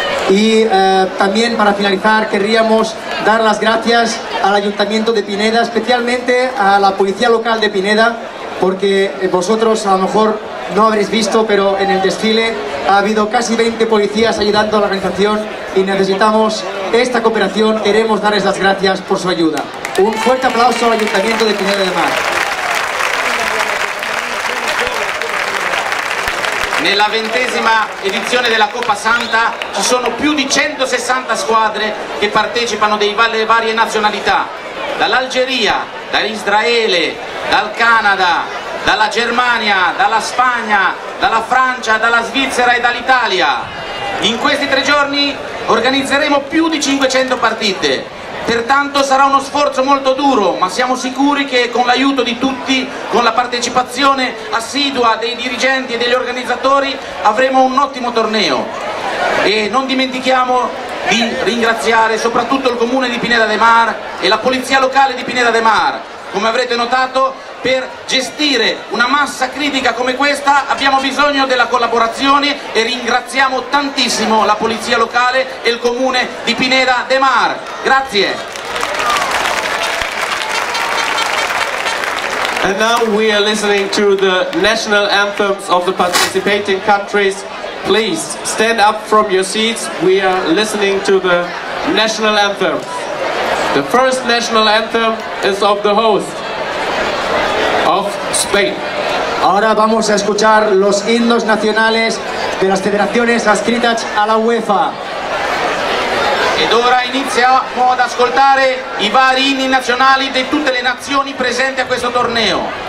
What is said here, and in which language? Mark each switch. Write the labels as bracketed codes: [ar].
[es] Y también para finalizar querríamos dar las gracias al Ayuntamiento de Pineda, especialmente a la Policía Local de Pineda, porque vosotros a lo mejor no habréis visto, pero en el desfile ha habido casi 20 policías ayudando a la organización y necesitamos esta cooperación, queremos darles las gracias por su ayuda. Un fuerte aplauso al Ayuntamiento de Pineda de Mar. [it] Nella ventesima edizione della Coppa Santa ci sono più di 160 squadre che partecipano delle varie nazionalità, dall'Algeria, dall'Israele, dal Canada, dalla Germania, dalla Spagna, dalla Francia, dalla Svizzera e dall'Italia. In questi tre giorni organizzeremo più di 500 partite. Pertanto sarà uno sforzo molto duro, ma siamo sicuri che con l'aiuto di tutti, con la partecipazione assidua dei dirigenti e degli organizzatori, avremo un ottimo torneo. E non dimentichiamo di ringraziare soprattutto il Comune di Pineda de Mar e la Polizia Locale di Pineda de Mar. Come avrete notato, per gestire una massa critica come questa abbiamo bisogno della collaborazione e ringraziamo tantissimo la Polizia Locale e il Comune di Pineda de Mar. Grazie. [en] And now we are listening to the national anthems of the participating countries. Please stand up from your seats. We are listening to the national anthems. The first national anthem is of the host of Spain. [es] Ahora vamos a escuchar los himnos nacionales de las federaciones adscritas a la UEFA. [it] Ed ora iniziamo ad ascoltare i vari inni nazionali di tutte le nazioni presenti a questo torneo.